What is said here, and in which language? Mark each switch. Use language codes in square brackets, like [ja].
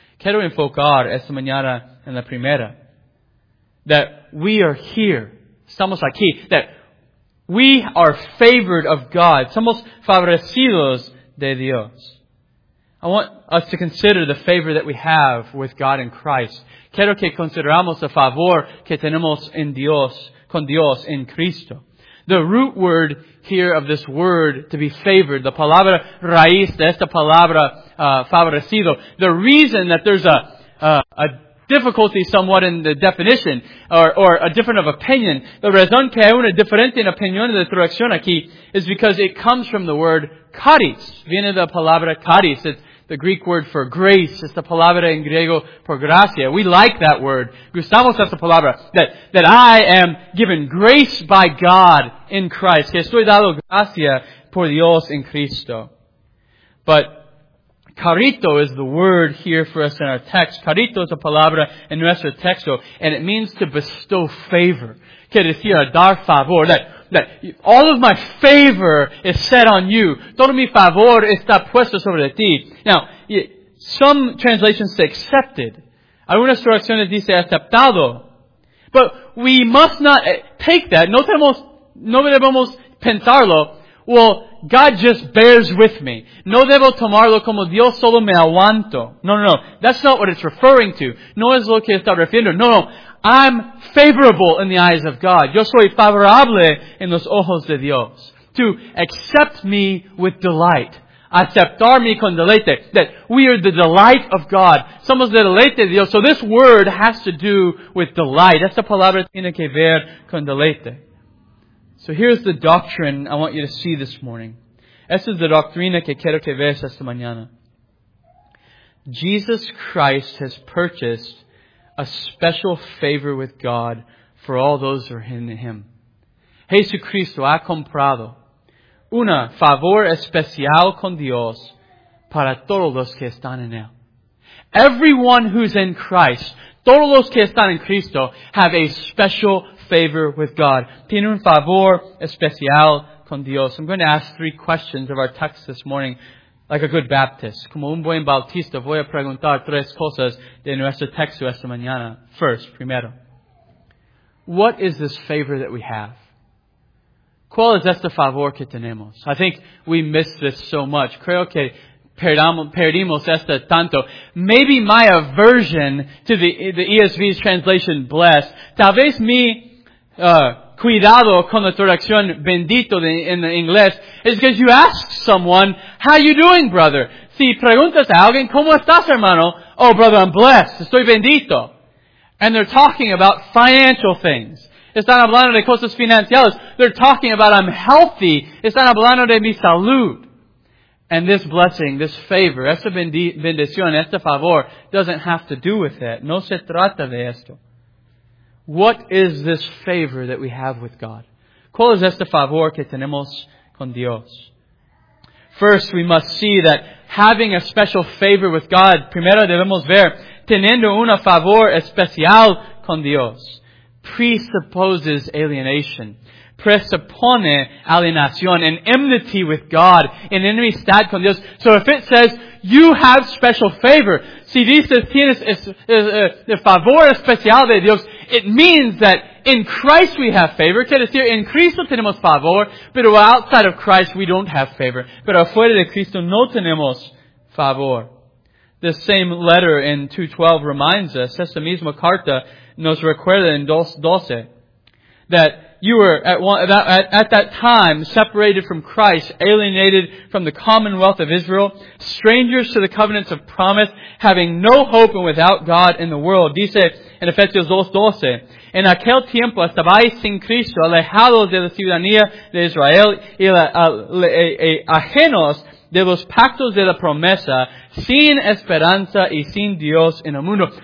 [es] Quiero enfocar esta mañana en la primera. [en] That we are here. [es] Estamos aquí. [en] That we are favored of God. [es] Somos favorecidos de Dios. [en] I want us to consider the favor that we have with God in Christ. [es] Quiero que consideramos el favor que tenemos en Dios, con Dios en Cristo. [en] The root word here of this word to be favored, the [es] palabra raíz de esta palabra favorecido. [en] The reason that there's a difficulty somewhat in the definition or a different of opinion. [es] The razón que hay una diferente opinión de la traducción aquí [en] is because it comes from the word charis. [es] Viene de la palabra charis. [en] It's the Greek word for grace. [es] Es la palabra en griego por gracia. [en] We like that word. [es] Gustamos esa palabra. [en] That I am given grace by God in Christ. [es] Que estoy dado gracia por Dios en Cristo. [en] But carito is the word here for us in our text. [es] Carito es la palabra en nuestro texto. [en] And it means to bestow favor. [es] Que decir a dar favor. [en] That all of my favor is set on you. [es] Todo mi favor está puesto sobre ti. [en] Now, some translations say accepted. [es] Algunas traducciones dice aceptado. [en] But we must not take that. [es] No debemos pensarlo. [en] Well, God just bears with me. [es] No debo tomarlo como Dios solo me aguanto. [en] No. That's not what it's referring to. [es] No es lo que está refiriendo. [en] No. I'm favorable in the eyes of God. [es] Yo soy favorable en los ojos de Dios. [en] To accept me with delight. [es] Aceptarme con deleite. [en] That we are the delight of God. [es] Somos de deleite de Dios. [en] So this word has to do with delight. [es] Esta palabra tiene que ver con deleite. [en] So here's the doctrine I want you to see this morning. [es] Esta es la doctrina que quiero que veas esta mañana. [en] Jesus Christ has purchased a special favor with God for all those who are in Him. [es] Jesucristo ha comprado una favor especial con Dios para todos los que están en Él. [en] Everyone who's in Christ, [es] todos los que están en Cristo, [en] have a special favor with God. [es] Tiene un favor especial con Dios. [en] I'm going to ask three questions of our text this morning. Like a good Baptist. [es] Como un buen Bautista, voy a preguntar tres cosas de nuestro texto esta mañana. [en] First, primero. What is this favor that we have? [es] ¿Cuál es este favor que tenemos? [en] I think we miss this so much. [es] Creo que perdimos este tanto. [en] Maybe my aversion to the ESV's translation, blessed. [es] Tal vez mi cuidado con la traducción bendito [en] in the English is because you ask someone, how you doing, brother? [es] Si preguntas a alguien, ¿cómo estás, hermano? [en] Oh, brother, I'm blessed. [es] Estoy bendito. [en] And they're talking about financial things. [es] Están hablando de cosas financieras. [en] They're talking about I'm healthy. [es] Están hablando de mi salud. [en] And this blessing, this favor, [es] esta bendición, este favor, [en] doesn't have to do with it. [es] No se trata de esto. [en] What is this favor that we have with God? [es] ¿Cuál es este favor que tenemos con Dios? [en] First, we must see that having a special favor with God, [es] primero debemos ver, teniendo una favor especial [en] con Dios, presupposes alienation, [es] presupone alienación, [en] an enmity with God, an [es] enemistad con Dios. [en] So if it says, you have special favor, [es] si dices tienes el favor especial de Dios, [en] it means that in Christ we have favor. [es] Quiere decir, en Cristo tenemos favor, pero [en] outside of Christ we don't have favor. [es] Pero afuera de Cristo no tenemos favor. [en] The same letter in 2:12 reminds us, [es] esta misma carta nos recuerda en 2:12, [en] that you were at that time separated from Christ, alienated from the commonwealth of Israel, strangers to the covenants of promise, having no hope and without God in the world. [es] Dice en Efesios 2:12, en aquel tiempo estabais sin Cristo, alejados de la ciudadanía de Israel y ajenos de los pactos de la promesa, sin esperanza y sin Dios en el mundo.